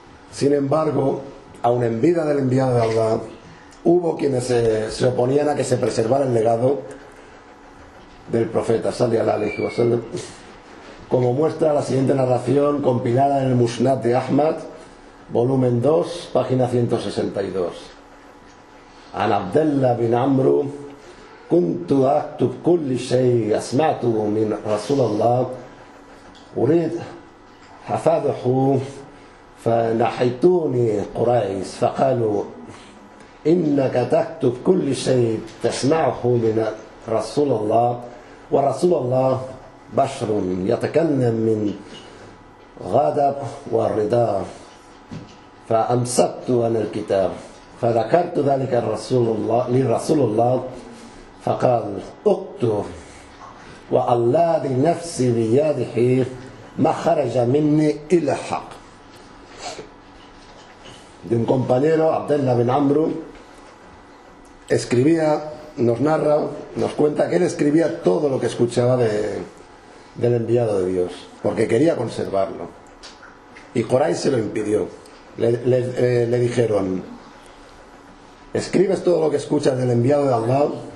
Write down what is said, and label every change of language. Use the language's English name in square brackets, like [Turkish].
[Spanish] Sin embargo, aun en vida del enviado de Alá, hubo quienes se oponían a que se preservara el legado del profeta, sallallahu alaihi wasallam, como muestra la siguiente narración compilada en el Musnad de Ahmad, volumen 2, página 162. [English] An Abdullah bin Amr, [Arabic] كنت أكتب كل شيء أسمعته من رسول الله أريد حفاظه فنحيتوني قريش فقالوا إنك تكتب كل شيء تسمعه من رسول الله ورسول الله بشر يتكلم من غضب والرضا فأمسكت عن الكتاب فذكرت ذلك لرسول الله فقال اكتب والذي نفسي بيده ما خرج مني الا حق. [Spanish] De un compañero, Abdullah bin Amr, escribía, nos narra, nos cuenta que él escribía todo lo que escuchaba del enviado de Dios, porque quería conservarlo. Y Quraysh se lo impidió. Le dijeron: escribes todo lo que escuchas del enviado de Allah.